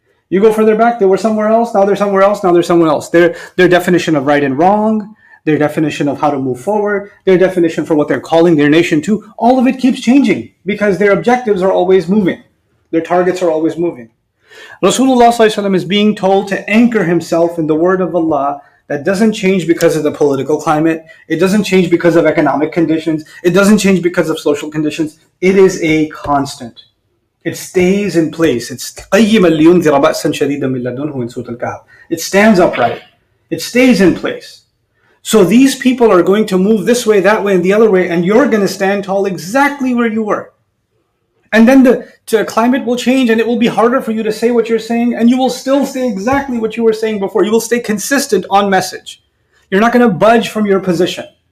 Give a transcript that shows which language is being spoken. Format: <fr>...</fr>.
<en>You go further back, they were somewhere else, now they're somewhere else, now they're somewhere else. Their definition of right and wrong, their definition of how to move forward, their definition for what they're calling their nation to, all of it keeps changing because their objectives are always moving. Their targets are always moving. Rasulullah ﷺ is being told to anchor himself in the word of Allah that doesn't change because of the political climate, it doesn't change because of economic conditions, it doesn't change because of social conditions. It is a constant. It stays in place.</en> <ar>It's قَيِّمَ لِيُنْذِرَ بَأْسًا شَدِيدًا مِنْ لَدُنْهُ in Surah Al-Kahf.</ar> <en>It stands upright. It stays in place. So these people are going to move this way, that way, and the other way, and you're going to stand tall exactly where you were. And then the climate will change, and it will be harder for you to say what you're saying, and you will still say exactly what you were saying before. You will stay consistent on message. You're not going to budge from your position.</en>